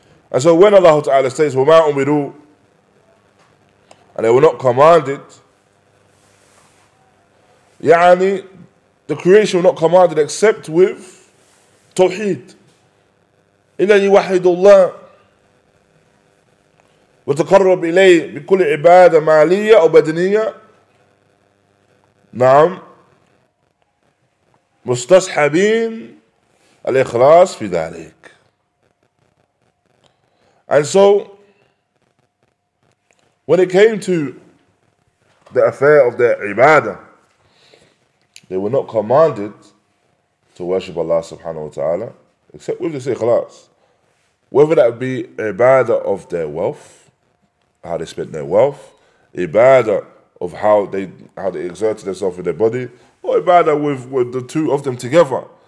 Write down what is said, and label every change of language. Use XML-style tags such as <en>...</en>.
<en>And so when Allah Ta'ala says,</en> <ar>وَمَا أُمِرُوا,</ar> <en>and they were not commanded, يعني, the creation were not commanded except with tawheed.</en> <ar>إِلَّا يُوَحِدُ اللَّهِ وَتَقَرَّبْ إِلَيْهِ بِكُلِّ عِبَادَ مَالِيَّ أَوْ بَدْنِيَّ نعم مستصحبين الإخلاص في ذلك.</ar> <en>And so when it came to the affair of their ibadah, they were not commanded to worship Allah subhanahu wa ta'ala except with this ikhlas, whether that be ibadah of their wealth, how they spent their wealth, ibadah of how they exerted themselves in their body, or ibadah with the two of them together.</en>